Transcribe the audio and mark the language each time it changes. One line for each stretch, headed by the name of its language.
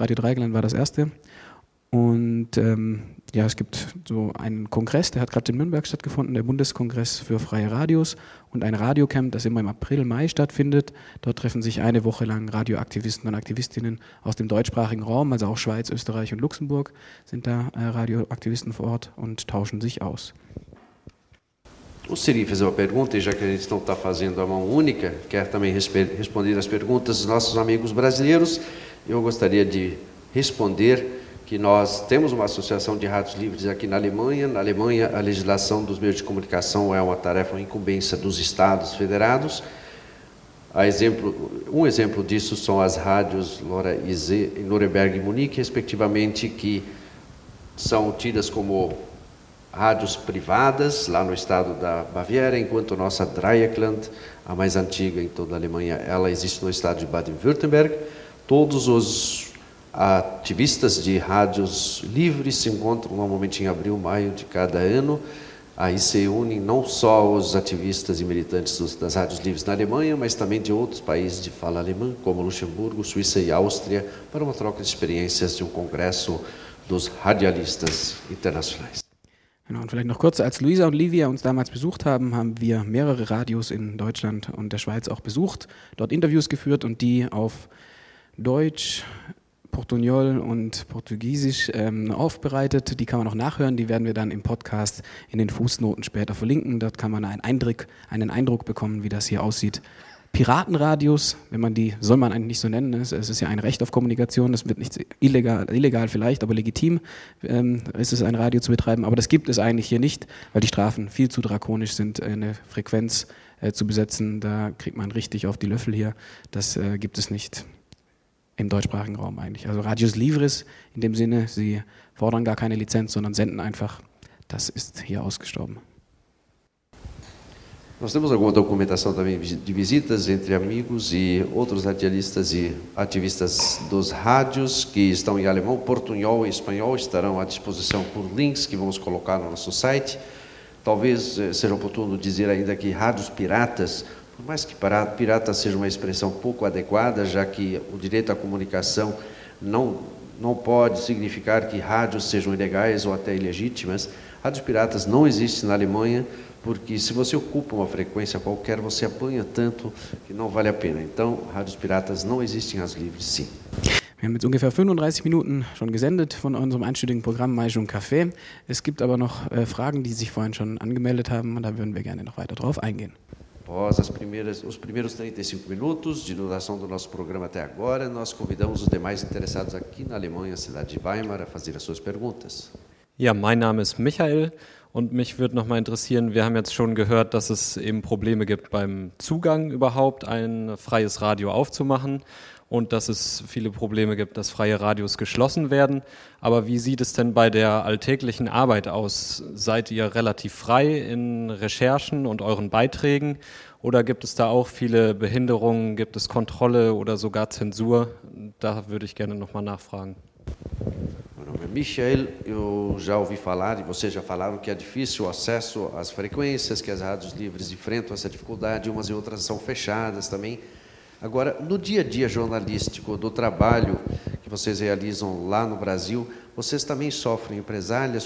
German: Radio Dreigeland war das erste. Und ja, es gibt so einen Kongress, der hat gerade in Nürnberg stattgefunden, der Bundeskongress für freie Radios und ein Radiocamp, das immer im April, Mai stattfindet. Dort treffen sich eine Woche lang Radioaktivisten und Aktivistinnen aus dem deutschsprachigen Raum, also auch Schweiz, Österreich und Luxemburg sind da Radioaktivisten vor Ort und tauschen sich aus.
Portuguese: Ou seria fazer uma pergunta, e já que a gente não está fazendo a mão única, quer também responder às perguntas dos nossos amigos brasileiros, eu gostaria de responder que nós temos uma associação de rádios livres aqui na Alemanha. Na Alemanha, a legislação dos meios de comunicação é uma tarefa, uma incumbência dos estados federados. Um exemplo disso são as rádios Lora e Z em Nuremberg e Munique, respectivamente, que são tidas como rádios privadas lá no estado da Baviera, enquanto a nossa Dreieckland, a mais antiga em toda a Alemanha, ela existe no estado de Baden-Württemberg. Todos os ativistas de rádios livres se encontram normalmente em abril, maio de cada ano. Aí se unem não só os ativistas e militantes das rádios livres na Alemanha, mas também de outros países de fala alemã, como Luxemburgo, Suíça e Áustria, para uma troca de experiências de um congresso dos radialistas internacionais.
German: Genau, und vielleicht noch kurz, als Luisa und Livia uns damals besucht haben, haben wir mehrere Radios in Deutschland und der Schweiz auch besucht, dort Interviews geführt und die auf Deutsch, Portugiesisch und Portugiesisch aufbereitet. Die kann man auch nachhören, die werden wir dann im Podcast in den Fußnoten später verlinken. Dort kann man einen Eindruck bekommen, wie das hier aussieht. Piratenradios, wenn man die, soll man eigentlich nicht so nennen, es ist ja ein Recht auf Kommunikation, es wird nicht illegal vielleicht, aber legitim ist es, ein Radio zu betreiben, aber das gibt es eigentlich hier nicht, weil die Strafen viel zu drakonisch sind, eine Frequenz zu besetzen, da kriegt man richtig auf die Löffel hier, das gibt es nicht im deutschsprachigen Raum eigentlich. Also Radios Livres in dem Sinne, sie fordern gar keine Lizenz, sondern senden einfach, das ist hier ausgestorben.
Portuguese: Nós temos alguma documentação também de visitas entre amigos e outros radialistas e ativistas dos rádios que estão em alemão, portunhol e espanhol, estarão à disposição por links que vamos colocar no nosso site. Talvez seja oportuno dizer ainda que rádios piratas, por mais que pirata seja uma expressão pouco adequada, já que o direito à comunicação não pode significar que rádios sejam ilegais ou até ilegítimas, rádios piratas não existem na Alemanha, porque se você ocupa uma frequência qualquer, você apanha tanto que não vale a pena. Então, rádios piratas não existem, as livres sim.
German: Wir haben jetzt ungefähr 35 Minuten schon gesendet von unserem einstündigen Programm Mais und Café. Es gibt aber noch Fragen, die sich vorhin schon angemeldet haben, und da würden wir gerne noch weiter drauf eingehen.
Portuguese: Após os primeiros 35 minutos de duração do nosso programa até agora, nós convidamos os demais interessados aqui na Alemanha, cidade de Weimar, a fazer as suas perguntas.
German: Ja, mein Name ist Michael. Und mich würde noch mal interessieren, wir haben jetzt schon gehört, dass es eben Probleme gibt beim Zugang überhaupt, ein freies Radio aufzumachen und dass es viele Probleme gibt, dass freie Radios geschlossen werden. Aber wie sieht es denn bei der alltäglichen Arbeit aus? Seid ihr relativ frei in Recherchen und euren Beiträgen oder gibt es da auch viele Behinderungen, gibt es Kontrolle oder sogar Zensur? Da würde ich gerne noch mal nachfragen.
Portuguese: Meu nome é Michael, eu já ouvi falar, e vocês já falaram, que é difícil o acesso às frequências, que as rádios livres enfrentam essa dificuldade, umas e outras são fechadas também. Agora, no dia a dia jornalístico, do trabalho, que que vocês realizam lá no Brasil, vocês também sofrem represálias?